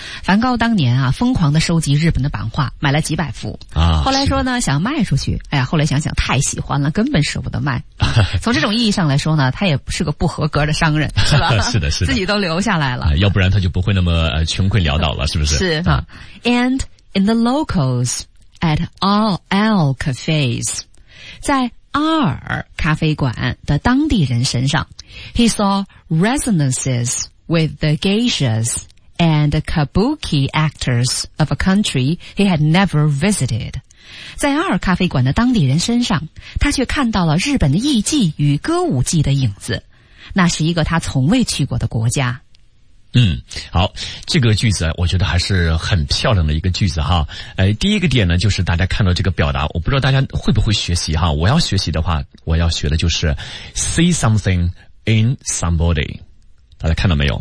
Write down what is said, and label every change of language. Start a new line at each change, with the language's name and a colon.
Chinese: 梵高当年啊疯狂的收集日本的版画，买了几百幅啊，后来说呢想卖出去，哎呀后来想想太喜欢了，根本舍不得卖。从这种意义上来说呢，他也是个不合格的商人，是吧？是的是的，自己都留下来了、啊、要不然他就不会那么穷困潦倒了，是不是？是啊。
English: And in the locals at all cafes，
Chinese: 在阿尔咖啡馆的当地人身上
English: ，He saw resonances with the geishas and kabuki actors of a country he had never visited。
Chinese: 在阿尔咖啡馆的当地人身上，他却看到了日本的艺伎与歌舞伎的影子。那是一个他从未去过的国家。嗯，好，这个句子我觉得还是很漂亮的一个句子哈。第一个点呢就是大家看到这个表达，我不知道大家会不会学习哈，我要学习的话我要学的就是
English: see something in somebody，
Chinese: 大家看到没有？